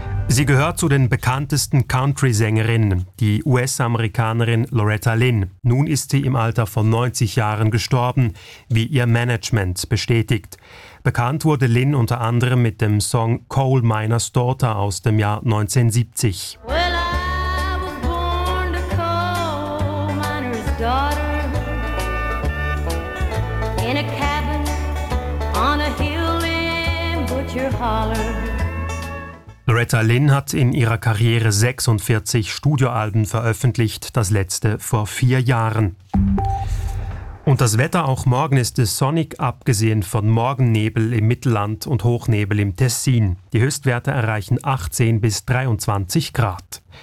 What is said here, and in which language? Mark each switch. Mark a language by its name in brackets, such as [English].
[German] Sie gehört zu den bekanntesten Country-Sängerinnen, die US-Amerikanerin Loretta Lynn. Nun ist sie im Alter von 90 Jahren gestorben, wie ihr Management bestätigt. Bekannt wurde Lynn unter anderem mit dem Song «Coal Miner's Daughter» aus dem Jahr 1970. [English] Well, I was born to coal miner's daughter in a cabin on a hill in Butcher Holler. [German] Loretta Lynn hat in ihrer Karriere 46 Studioalben veröffentlicht, das letzte vor 4 Jahren. Und das Wetter auch morgen ist es sonnig, abgesehen von Morgennebel im Mittelland und Hochnebel im Tessin. Die Höchstwerte erreichen 18 bis 23 Grad.